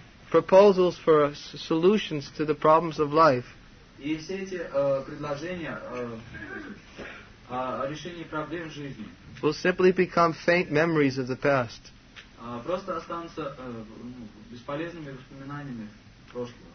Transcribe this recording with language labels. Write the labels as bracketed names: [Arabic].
[English] proposals for solutions to the problems of life. [Russian] И все эти предложения о решении проблем жизни [English] will simply become faint memories of the past. [Russian] Просто останутся бесполезными воспоминаниями прошлого.